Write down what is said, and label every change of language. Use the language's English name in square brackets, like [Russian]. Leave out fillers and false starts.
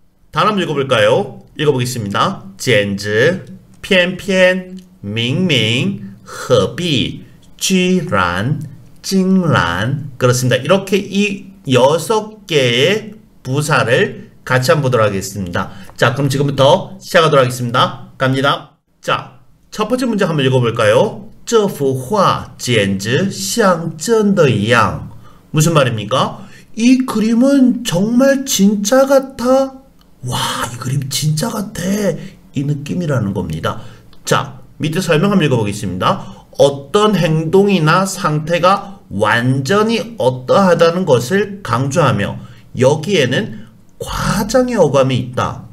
[Korean] 다음 한번 읽어볼까요? 읽어보겠습니다. 젠즈 偏偏 밍밍 허비 쥐란 징란. 그렇습니다. 이렇게 이 여섯 개의 부사를 같이 한번 보도록 하겠습니다. 자, 그럼 지금부터 시작하도록 하겠습니다. 갑니다. 자, 첫 번째 문장 한번 읽어볼까요? [Chinese] 这幅画简直像真的一样. [Korean] 무슨 말입니까? 이 그림은 정말 진짜 같아. 와, 이 그림 진짜 같아. 이 느낌이라는 겁니다. 자, 밑에 설명 한번 읽어보겠습니다. 어떤 행동이나 상태가 완전히 어떠하다는 것을 강조하며 여기에는 과장의 어감이 있다.